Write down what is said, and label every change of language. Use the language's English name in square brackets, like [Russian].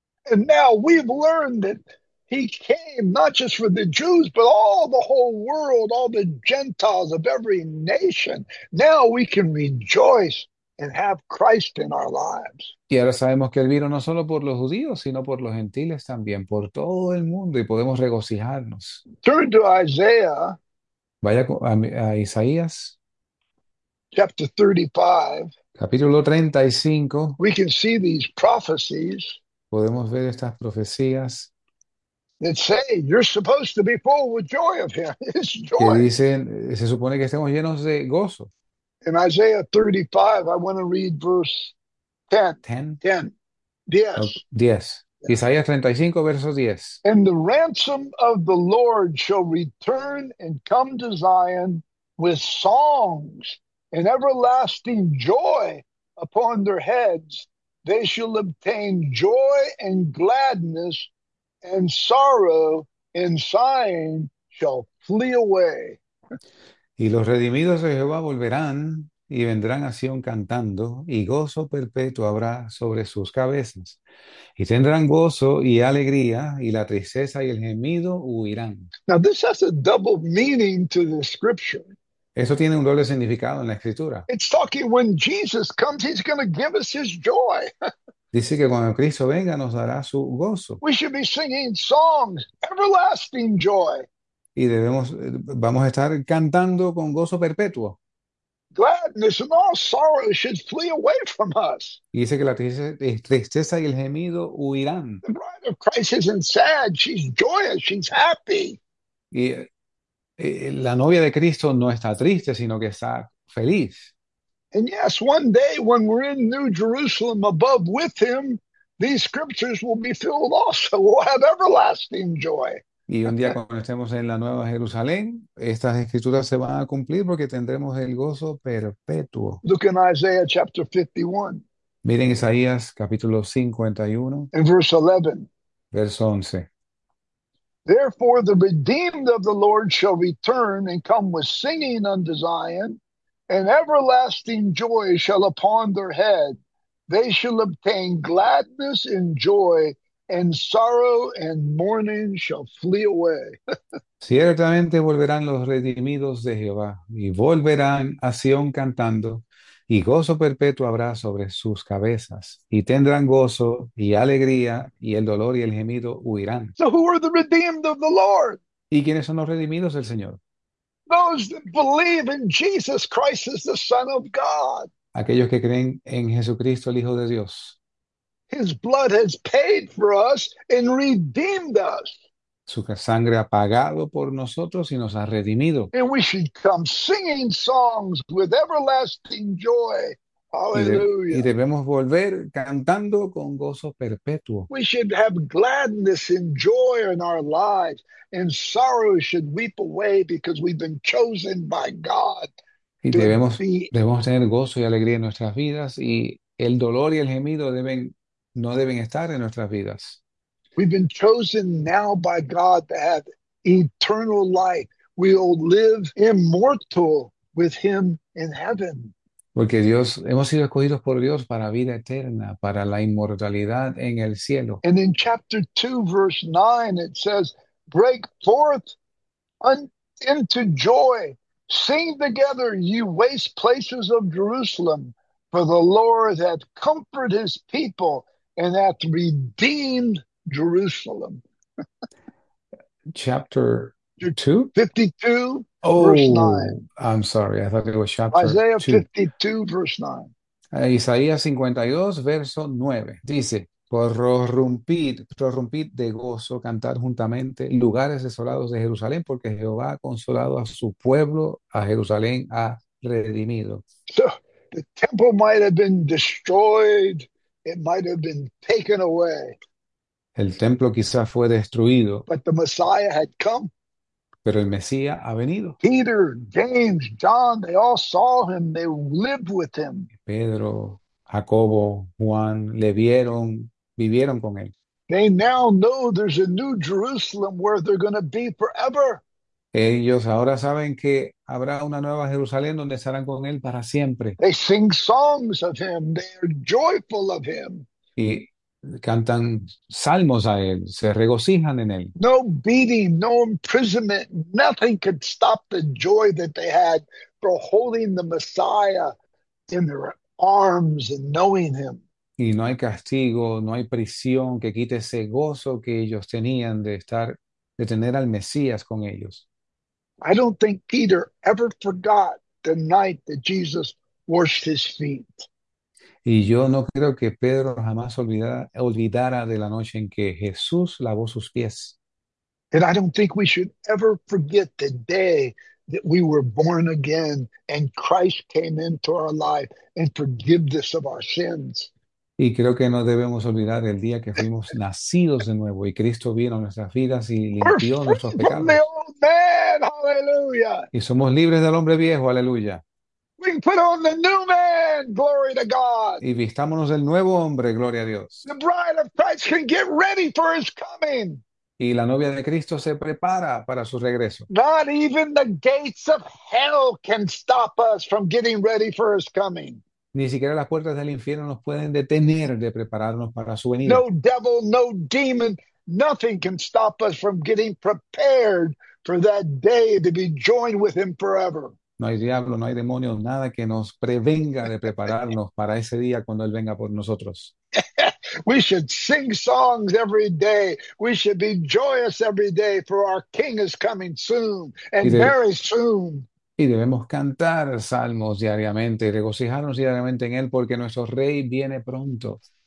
[English] And now we've learned that he came not just for the Jews, but all the whole world, all the Gentiles of every nation. Now we can rejoice and have Christ in our lives. [Spanish] Y ahora sabemos que él vino no solo por los judíos, sino por los gentiles también, por todo el mundo, y podemos regocijarnos. [English] Turn to Isaiah, [Spanish] Vaya a Isaías, [English] chapter 35. [Spanish] capítulo 35. [English] We can see these prophecies [Spanish] Podemos ver estas profecías [English] that say you're supposed to be full with joy of him. It's [Spanish] que [English] joy. [Spanish] dicen, se supone que estemos llenos de gozo. [English] In Isaiah 35, I want to read verse 10. 10, 10. oh, Yes. 10. Yeah. [Spanish] Isaías 35, versos 10. [English] And the ransom of the Lord shall return and come to Zion with songs and everlasting joy upon their heads. They shall obtain joy and gladness, and sorrow and sighing shall flee away. [Spanish] Y los redimidos de Jehová volverán y vendrán a Sion cantando, y gozo perpetuo habrá sobre sus cabezas. Y tendrán gozo y alegría, y la tristeza y el gemido huirán. [English] Now, this has a double meaning to the scripture. [Spanish] Eso tiene un doble significado en la escritura. [English] It's talking when Jesus comes, he's going to give us his joy. [Spanish] Dice que cuando Cristo venga nos dará su gozo. [English] We should be singing songs, everlasting joy. [Spanish] Y vamos a estar cantando con gozo perpetuo. [English] Gladness and all sorrow should flee away from us. [Spanish] Y dice que la tristeza y el gemido huirán. [English] The bride of Christ isn't sad, she's joyous, she's happy. [Spanish] Y la novia de Cristo no está triste, sino que está feliz. [English] And yes, one day when we're in New Jerusalem above with him, these scriptures will be filled also. We'll have everlasting joy. [Spanish] Y un día cuando estemos en la Nueva Jerusalén, estas escrituras se van a cumplir porque tendremos el gozo perpetuo. [English] Look in Isaiah chapter 51 [Spanish] Miren Isaías capítulo 51, [English] and verse 11. [Spanish] verso 11. [English] Therefore, the redeemed of the Lord shall return and come with singing unto Zion, and everlasting joy shall upon their head. They shall obtain gladness and joy, and sorrow and mourning shall flee away. [Spanish] Ciertamente volverán los redimidos de Jehová y volverán a Sion cantando, y gozo perpetuo habrá sobre sus cabezas, y tendrán gozo y alegría, y el dolor y el gemido huirán. [English] So who are the redeemed of the Lord? [Spanish] ¿Y quiénes son los redimidos del Señor? [English] Those that believe in Jesus Christ as the Son of God. [Spanish] Aquellos que creen en Jesucristo, el Hijo de Dios. [English] His blood has paid for us and redeemed us. [Spanish] Su sangre ha pagado por nosotros y nos ha redimido. [English] And we should come singing songs with everlasting joy. [Spanish] Y [English] Hallelujah. [Spanish] debemos volver cantando con gozo perpetuo. [English] We should have gladness and joy in our lives, and sorrow should weep away because we've been chosen by God [Spanish] Y [English] to be. [Spanish] debemos tener gozo y alegría en nuestras vidas, y el dolor y el gemido no deben estar en nuestras vidas. [English] We've been chosen now by God to have eternal life. We'll live immortal with Him in heaven. [Spanish] Porque hemos sido escogidos por Dios para vida eterna, para la inmortalidad en el cielo. [English] And in chapter 2, verse 9, it says, break forth into joy. Sing together, ye waste places of Jerusalem, for the Lord hath comforted his people and hath redeemed Jerusalem. Chapter 2. 52, verse 9. Oh, I'm sorry, I thought it was chapter Isaiah 2. 52, verse 9. [Spanish] Isaías 52, verso 9. Dice: prorrumpid de gozo, cantad juntamente, lugares desolados de Jerusalén, porque Jehová ha consolado a su pueblo, a Jerusalén ha redimido. [English] So the temple might have been destroyed, it might have been taken away. [Spanish] El templo quizás fue destruido, [English] But the Messiah had come. [Spanish] pero el Mesías ha venido. [English] Peter, James, John, they all saw him, they lived with him. [Spanish] Pedro, Jacobo, Juan, le vieron, vivieron con él. [English] They now know there's a new Jerusalem where they're going to be forever. [Spanish] Ellos ahora saben que habrá una nueva Jerusalén donde estarán con él para siempre. [English] They sing songs of him. They are joyful of him. [Spanish] Y cantan salmos a él, se regocijan en él. [English] No beating, no imprisonment, nothing could stop the joy that they had for holding the Messiah in their arms and knowing him. [Spanish] Y no hay castigo, no hay prisión que quite ese gozo que ellos tenían de tener al Mesías con ellos. [English] I don't think Peter ever forgot the night that Jesus washed his feet. [Spanish] Y yo no creo que Pedro jamás olvidara de la noche en que Jesús lavó sus pies. [English] And I don't think we should ever forget the day that we were born again and Christ came into our life and forgave us of our sins. [Spanish] Y creo que no debemos olvidar el día que fuimos nacidos de nuevo y Cristo vino a nuestras vidas y [English] We're [Spanish] limpió [English] free [Spanish] nuestros [English] from the [Spanish] pecados. [English] old man, hallelujah. [Spanish] Y somos libres del hombre viejo, aleluya. [English] We can put on the new man, glory to God. [Spanish] Y vistámonos del nuevo hombre, gloria a [English] The [Spanish] Dios. [English] bride of Christ can get ready for his coming. [Spanish] Y la novia de Cristo se prepara para su regreso. [English] Not even the gates of hell can stop us from getting ready for his coming. [Spanish] Ni siquiera las puertas del infierno nos pueden detener de prepararnos para su venida. [English] No devil, no demon, nothing can stop us from getting prepared for that day to be joined with him forever. [Spanish] No hay diablo, no hay demonio, nada que nos prevenga de prepararnos para ese día cuando Él venga por nosotros. [English] We should sing songs every day. We should be joyous every day, for our King is coming soon [Spanish] Y [English] and very soon. [Spanish] debemos cantar salmos diariamente y regocijarnos diariamente en Él porque nuestro Rey viene pronto.